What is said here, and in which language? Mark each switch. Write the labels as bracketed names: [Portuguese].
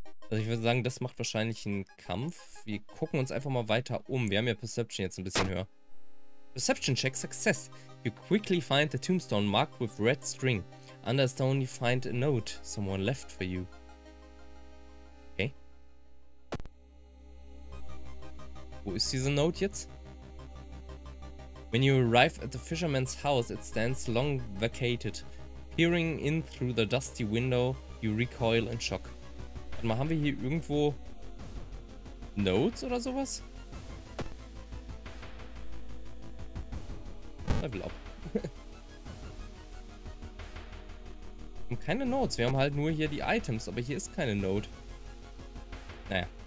[German] Also ich würde sagen, das macht wahrscheinlich einen Kampf. Wir gucken uns einfach mal weiter um. Wir haben ja Perception jetzt ein bisschen höher. [English] Perception check success. You quickly find the tombstone marked with red string. Under the stone you find a note someone left for you. Okay. [German] Wo ist diese Note jetzt? [English] When you arrive at the fisherman's house, it stands long vacated. Peering in through the dusty window, you recoil in shock. [German] Warte mal, haben wir hier irgendwo Notes oder sowas? [English] Level up. [German] Wir haben keine Notes, wir haben halt nur hier die Items, aber hier ist keine Note. Naja.